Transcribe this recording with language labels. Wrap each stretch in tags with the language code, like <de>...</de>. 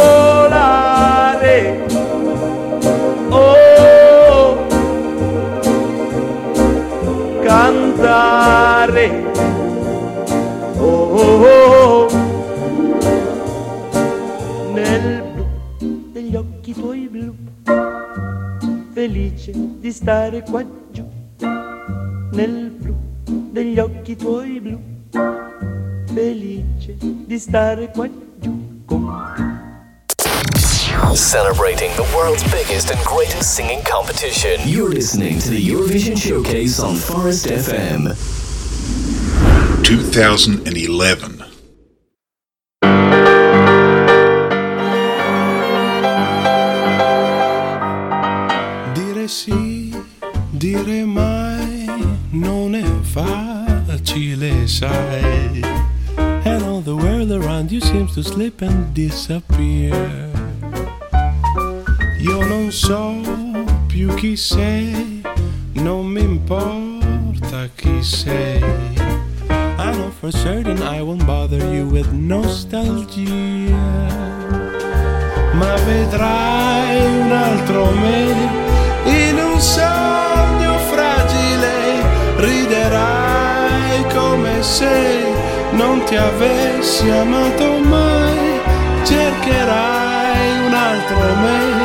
<it>Volare, oh, cantare, oh, oh, oh, oh, nel blu degli occhi tuoi blu, felice di stare qua giù. Nel blu degli occhi tuoi blu, felice di stare qua giù.</it> <en>Celebrating the world's biggest and greatest singing competition. You're listening to the Eurovision Showcase on Forest FM. 2011.</en> <it>Dire sì, dire mai, non è facile, sai.</it> <en>And all the world around you seems to slip and disappear.</en> <it>Io non so più chi sei, non mi importa chi sei.</it> <en>I know for certain I won't bother you with nostalgia.</en> <it>Ma vedrai un altro me in un sogno fragile. Riderai come se non ti avessi amato mai. Cercherai un altro me.</it>